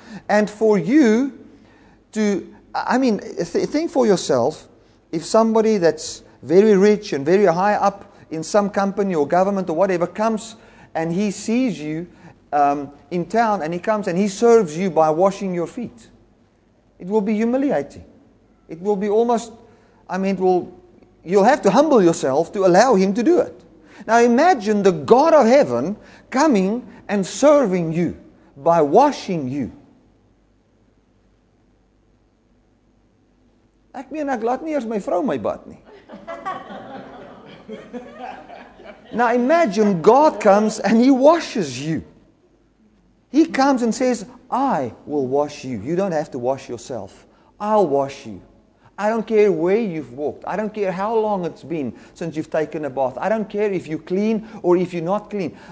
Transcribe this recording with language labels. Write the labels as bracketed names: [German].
[English] And for you to, think for yourself, if somebody that's very rich and very high up in some company or government or whatever comes and he sees you in town and he comes and he serves you by washing your feet, it will be humiliating. It will be almost, you'll have to humble yourself to allow him to do it. Now imagine the God of heaven coming and serving you by washing you. [Afrikaans] Ek meen, ek laat nie eers my vrou my bad nie. [English] Now imagine God comes and He washes you. He comes and says, I will wash you. You don't have to wash yourself. I'll wash you. I don't care where you've walked. I don't care how long it's been since you've taken a bath. I don't care if you're clean or if you're not clean.